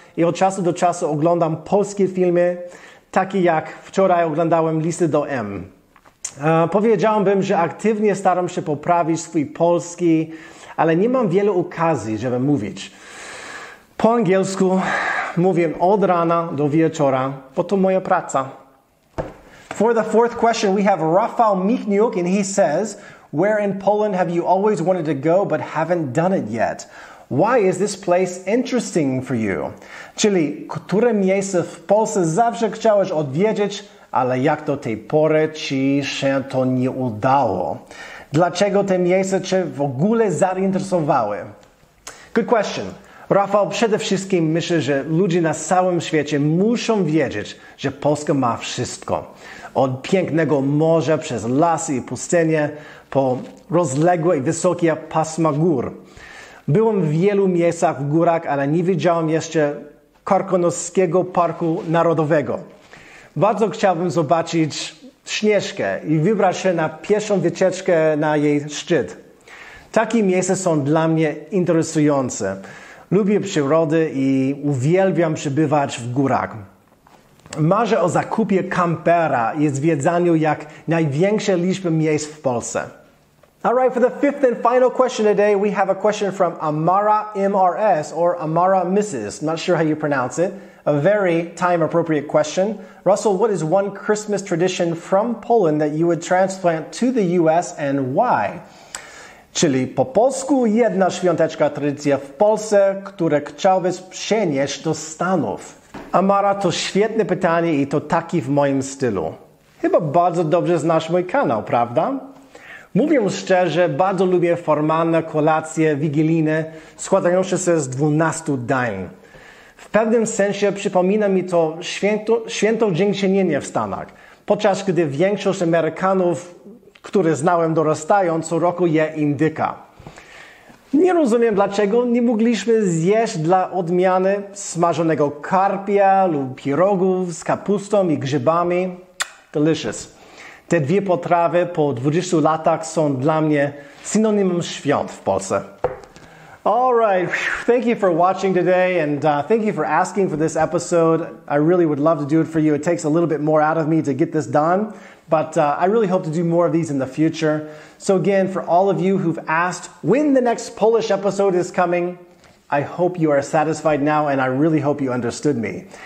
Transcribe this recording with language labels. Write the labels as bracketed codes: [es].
[pl] I od czasu do czasu oglądam polskie filmy, takie jak wczoraj oglądałem Listy do M. Powiedziałbym, że aktywnie staram się poprawić swój polski, ale nie mam wielu okazji, żeby mówić. Po angielsku mówię od rana do wieczora, bo to moja praca. [en] For the 4th question, we have Rafał Michniuk, and he says, where in Poland have you always wanted to go but haven't done it yet? Why is this place interesting for you? [pl] Czyli, które miejsce w Polsce zawsze chciałeś odwiedzić, ale jak do tej pory ci się to nie udało? Dlaczego te miejsce cię w ogóle zainteresowały? [en] Good question. [pl] Rafał, przede wszystkim myślę, że ludzie na całym świecie muszą wiedzieć, że Polska ma wszystko. Od pięknego morza przez lasy i pustynie, po rozległe i wysokie pasma gór. Byłem w wielu miejscach w górach, ale nie widziałem jeszcze Karkonoskiego Parku Narodowego. Bardzo chciałbym zobaczyć Śnieżkę i wybrać się na pieszą wycieczkę na jej szczyt. Takie miejsca są dla mnie interesujące. Lubię przyrodę i uwielbiam przebywać w górach. Marzę o zakupie kampera i zwiedzaniu jak największej liczby miejsc w Polsce. [en] Alright, for the fifth and final question today, we have a question from Amara MRS, or Amara Mrs. Not sure how you pronounce it. A very time-appropriate question. Russell, what is one Christmas tradition from Poland that you would transplant to the US and why? [pl] Czyli po polsku jedna świąteczka tradycja w Polsce, które chciałbyś przenieść do Stanów. Amara, to świetne pytanie i to taki w moim stylu. Chyba bardzo dobrze znasz mój kanał, prawda? Mówię szczerze, bardzo lubię formalne kolacje wigilijne składające się z 12 dań. W pewnym sensie przypomina mi to święto dziękczynienia w Stanach, podczas gdy większość Amerykanów, które znałem dorastając, co roku je indyka. Nie rozumiem, dlaczego nie mogliśmy zjeść dla odmiany smażonego karpia lub pierogów z kapustą i grzybami. Delicious. Te dwie potrawy po 20 latach są dla mnie synonimem świąt w Polsce. [en] All right, thank you for watching today, and thank you for asking for this episode. I really would love to do it for you. It takes a little bit more out of me to get this done, but I really hope to do more of these in the future. So again, for all of you who've asked when the next Polish episode is coming, I hope you are satisfied now, and I really hope you understood me.